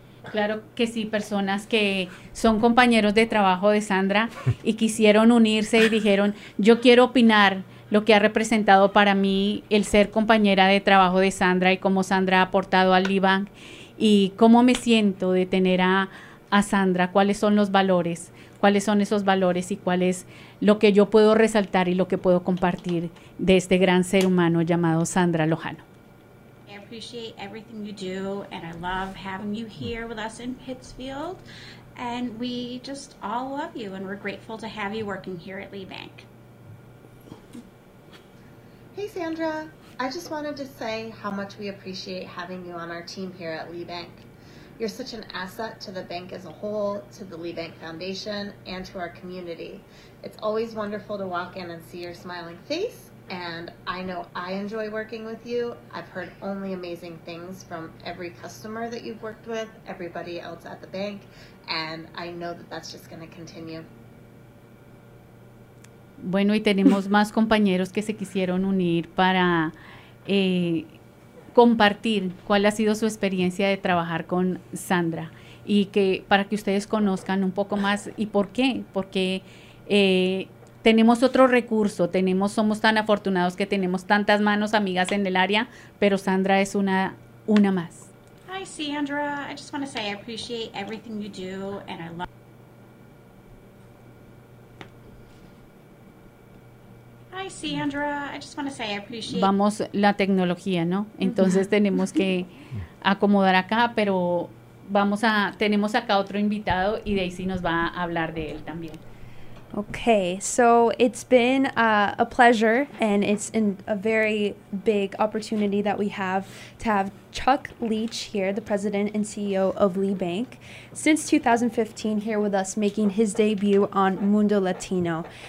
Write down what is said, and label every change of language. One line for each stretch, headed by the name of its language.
Spanish: Claro que sí, personas que son compañeros de trabajo de Sandra y quisieron unirse y dijeron, yo quiero opinar lo que ha representado para mí el ser compañera de trabajo de Sandra y cómo Sandra ha aportado al Libank y cómo me siento de tener a Sandra, cuáles son los valores, cuáles son esos valores y cuál es lo que yo puedo resaltar y lo que puedo compartir de este gran ser humano llamado Sandra Lojano.
English: I appreciate everything you do and I love having you here with us in Pittsfield and we just all love you and we're grateful to have you working here at Lee Bank. Hey Sandra, I just wanted to say how much we appreciate having you on our team here at Lee Bank. You're such an asset to the bank as a whole, to the Lee Bank Foundation, and to our community. It's always wonderful to walk in and see your smiling face, and I know I enjoy working with you. I've heard only amazing things from every customer that you've worked with, everybody else at the bank, and I know that that's just going to continue.
Spanish: Bueno, y tenemos más compañeros que se quisieron unir para compartir cuál ha sido su experiencia de trabajar con Sandra y que para que ustedes conozcan un poco más y por qué, porque tenemos otro recurso, tenemos, somos tan afortunados que tenemos tantas manos amigas en el área, pero Sandra es una más.
English: Hi Hi, Sandra. I just want to say I appreciate everything you do, and I love... Hi, Sandra. I just want to say I appreciate...
Spanish: Vamos la tecnología, ¿no? Entonces tenemos que acomodar acá, pero vamos a... Tenemos acá otro invitado, y Daisy nos va a hablar de él también.
English: Okay, so it's been a pleasure, and it's in a very big opportunity that we have to have Chuck Leach here, the president and CEO of Lee Bank, since 2015 here with us making his debut on Mundo Latino.